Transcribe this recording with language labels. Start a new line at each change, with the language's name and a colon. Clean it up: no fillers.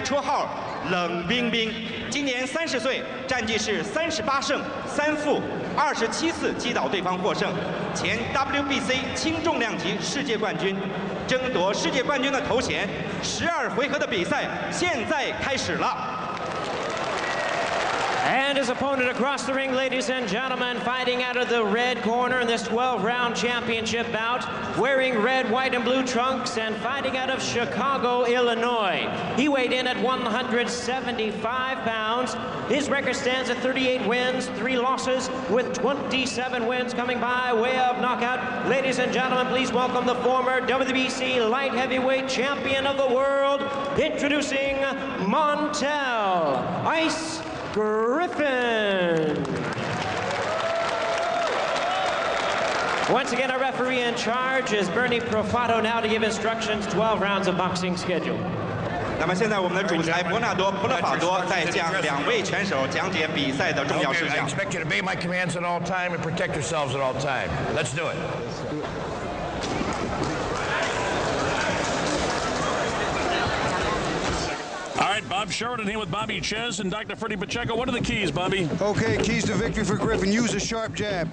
Chinese: Red脚的选手是来自美国芝加哥蒙泰尔·格里芬，拳台绰号冷冰冰。今年30岁，战绩是38胜3负，27次击倒对方获胜，前 WBC 轻重量级世界冠军，争夺世界冠军的头衔。12回合的比赛现在开始了。
English: And his opponent across the ring, ladies and gentlemen, fighting out of the red corner in this 12-round championship bout, wearing red, white, and blue trunks, and fighting out of Chicago, Illinois. He weighed in at 175 pounds. His record stands at 38 wins, 3 losses, with 27 wins coming by way of knockout. Ladies and gentlemen, please welcome the former WBC light heavyweight champion of the world, introducing Montell Ice Griffin. Once again, our referee in charge is Bernie Profato, now to give instructions, 12 rounds of boxing schedule.
Chinese: 那么现在我们的主裁伯纳多·普勒法多在向两位选手讲解比赛的重要事项。
English: I expect you to obey my commands at all time and protect yourselves at all time. Let's do it. All right, Bob Sheridan here with Bobby Chez and Dr. Freddie Pacheco. What are the keys, Bobby? Okay, keys to victory for Griffin. Use a sharp jab.